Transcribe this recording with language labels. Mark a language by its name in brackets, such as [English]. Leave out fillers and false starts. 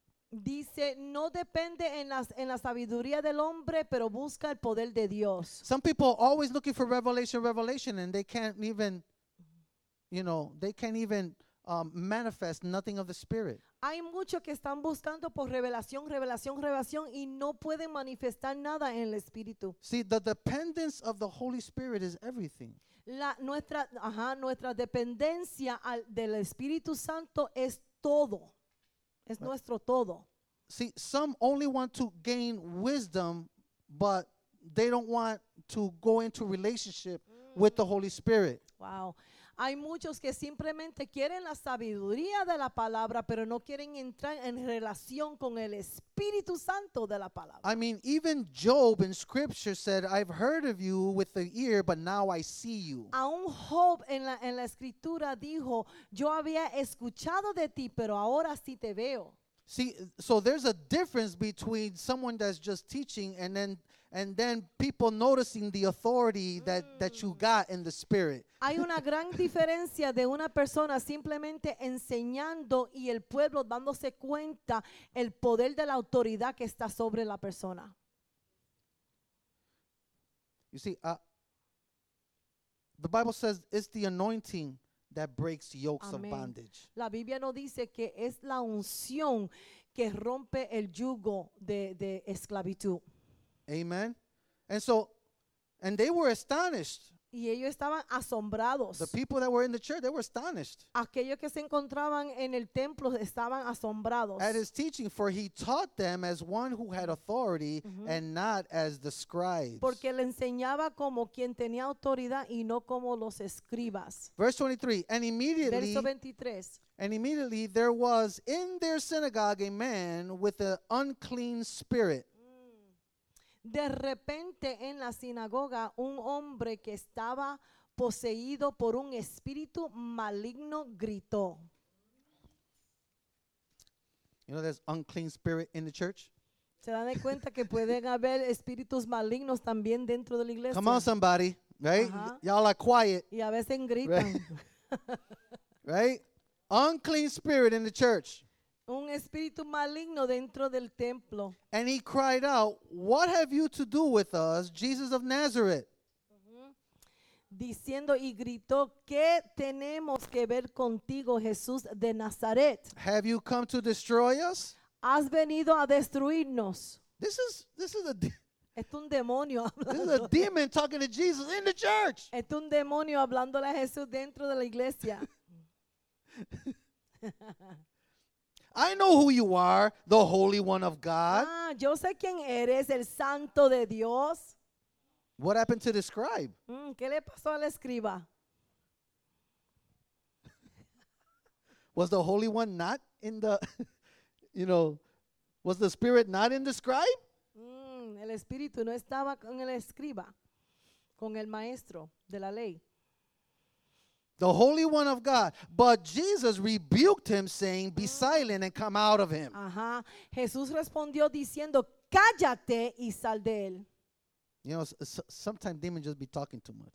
[Spanish] Dice, no depende en la sabiduría del hombre, pero busca el poder de Dios. [English] Some people are always looking for revelation, and they can't even, you know, they can't even manifest nothing of the Spirit. [Spanish] Hay muchos que están buscando por revelación, y no pueden manifestar nada en el Espíritu. [English] See, the dependence of the Holy Spirit is everything. [Spanish] Nuestra dependencia del Espíritu Santo es todo. Es nuestro todo. [English] See, some only want to gain wisdom, but they don't want to go into relationship with the Holy Spirit. Wow. [Spanish] Hay muchos que simplemente quieren la sabiduría de la palabra, pero no quieren entrar en relación con el Espíritu Santo de la palabra. [English] I mean, even Job in Scripture said, I've heard of you with the ear, but now I see you. [Spanish] Aún Job en la Escritura dijo, yo había escuchado de ti, pero ahora sí te veo. [English] See, so there's a difference between someone that's just teaching and then people noticing the authority that you got in the Spirit. [Spanish] Hay una gran diferencia de una persona simplemente enseñando y el pueblo dándose cuenta el poder de la autoridad que está sobre la persona. [English] You see, the Bible says it's the anointing that breaks yokes of bondage. [Spanish] La Biblia no dice que es la unción que rompe el yugo de esclavitud. [English] Amen. And they were astonished. [Spanish] Y ellos estaban asombrados. [English] The people that were in the church, they were astonished. [Spanish] Aquellos que se encontraban en el templo estaban asombrados. [English] At his teaching, for he taught them as one who had authority and not as the scribes. [Spanish] Porque le enseñaba como quien tenía autoridad y no como los escribas. [English] Verse 23. And immediately there was in their synagogue a man with an unclean spirit. [Spanish] De repente en la sinagoga un hombre que estaba poseído por un espíritu maligno gritó. [English] You know there's unclean spirit in the church? [Spanish] ¿Se dan cuenta que pueden haber espíritus malignos también dentro de la iglesia? [English] Come on somebody, right? Uh-huh. Y'all are quiet. [Spanish] Y a veces gritan. [English] Right? Unclean spirit in the church. [Spanish] Un espíritu maligno dentro del templo. [English] And he cried out, what have you to do with us, Jesus of Nazareth? [Spanish] Diciendo y gritó, ¿qué tenemos que ver contigo, Jesús de Nazaret? [English] Have you come to destroy us? [Spanish] ¿Has venido a destruirnos? Es un demonio. [English] This is a demon talking to Jesus in the church. [Spanish] Es un demonio hablando a Jesús dentro de la iglesia. [English] I know who you are, the Holy One of God. [Spanish] Ah, yo sé quién eres, el Santo de Dios. [English] What happened to the scribe? [Spanish] ¿Qué le pasó al escriba? [English] Was the Holy One not in the, you know, was the Spirit not in the scribe? [Spanish] El espíritu no estaba con el escriba, con el maestro de la ley. [English] The Holy One of God. But Jesus rebuked him, saying, be silent and come out of him. Uh-huh. [Spanish] Jesús respondió diciendo, cállate y sal de él. [English] You know, sometimes demons just be talking too much.